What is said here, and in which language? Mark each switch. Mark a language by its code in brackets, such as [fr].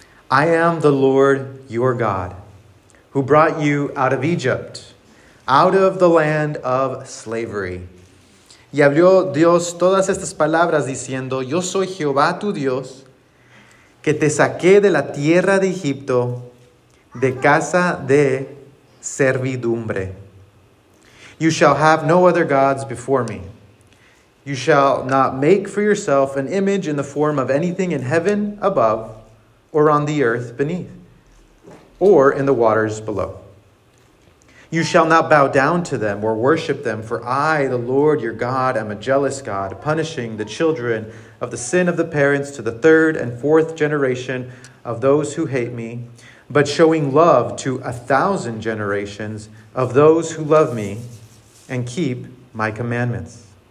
[en] I am the Lord your God, who brought you out of Egypt, out of the land of slavery. [es] Y habló Dios todas estas palabras diciendo, yo soy Jehová tu Dios, que te saqué de la tierra de Egipto, de casa de servidumbre. [en] You shall have no other gods before me. You shall not make for yourself an image in the form of anything in heaven above, or on the earth beneath, or in the waters below. You shall not bow down to them or worship them, for I, the Lord your God, am a jealous God, punishing the children of the sin of the parents to the third and fourth generation of those who hate me, but showing love to 1,000 generations of those who love me and keep my commandments.